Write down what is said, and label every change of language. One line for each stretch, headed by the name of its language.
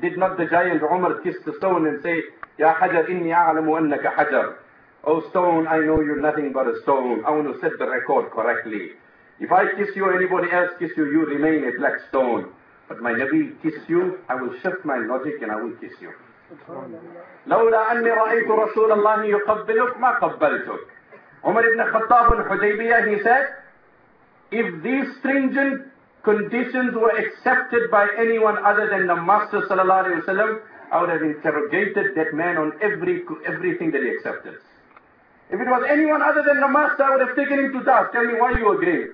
English: Did not the giant Umar kiss the stone and say,
Arabic: Ya Hajar, inni a'lamu annaka Hajar.
English: Oh stone, I know you're nothing but a stone. I want to set the record correctly. If I kiss you or anybody else kiss you, you remain a black stone. But my Nabi kiss you, I will shift my logic and I will kiss you.
Arabic: لولا أني رأيت رسول الله يقبلك ما قبلتك.
English: Umar ibn Khattab al-Hudaybiyah, he said, if these stringent conditions were accepted by anyone other than the Master sallallahu alayhi wa sallam, I would have interrogated that man on everything that he accepted. If it was anyone other than the Master, I would have taken him to task. Tell me why you agree.